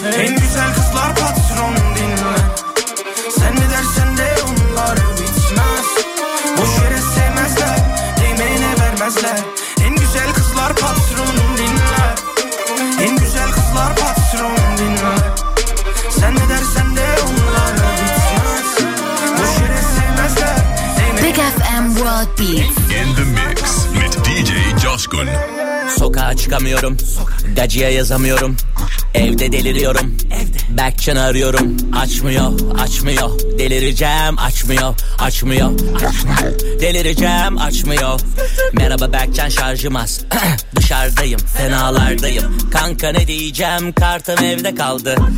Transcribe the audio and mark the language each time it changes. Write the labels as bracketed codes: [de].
[tr] En güzel kızlar patron dinle, sen ne dersen de onlar bitmez. Boş yere sevmezler, değmeğine vermezler. En güzel kızlar patron dinle, en güzel kızlar patron dinle. Sen ne dersen de onlar bitmez. Boş yere sevmezler. [en] Big FM World Beats in the mix with DJ Joshkun. [tr] Sokağa çıkamıyorum, Dacia yazamıyorum. Evde deliriyorum, Berkcan'ı arıyorum. Açmıyor, açmıyor. Delireceğim, açmıyor, açmıyor, açmıyor. Delireceğim, açmıyor. Merhaba Berkcan, şarjım az. Dışarıdayım, fenalardayım. Kanka ne diyeceğim, kartım evde kaldı.